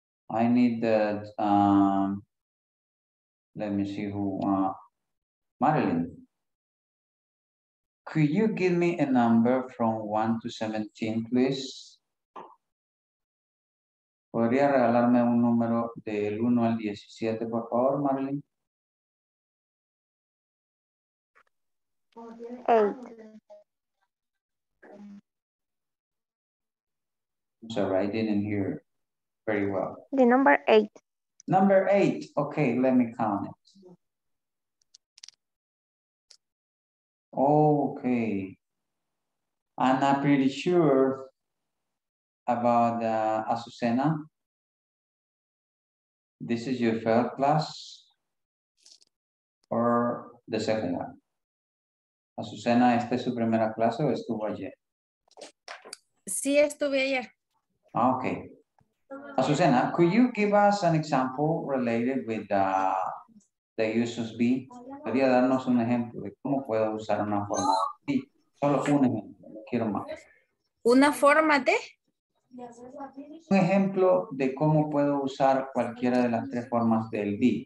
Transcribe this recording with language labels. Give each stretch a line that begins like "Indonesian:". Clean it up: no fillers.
English: I need that, let me see who, Marilyn. Could you give me a number from 1 to 17, please?
Spanish: ¿Podría regalarme un número del 1 al 17, por favor, Marilyn? 8.
English: Sorry, I didn't hear very well. The number 8. Number 8. Okay, let me count it. Okay. I'm not pretty sure about Azucena. This is your first class or the second one?
Spanish: Azucena, ¿esta es su primera clase o estuvo ayer? Sí, estuve ayer.
English: Okay. Azucena, could you give us an example related with the uses be?
Spanish: ¿Podría darnos un ejemplo de cómo puedo usar una forma de? Solo un ejemplo, no quiero más. ¿Una forma de? Un ejemplo de cómo puedo usar cualquiera de las tres formas del be.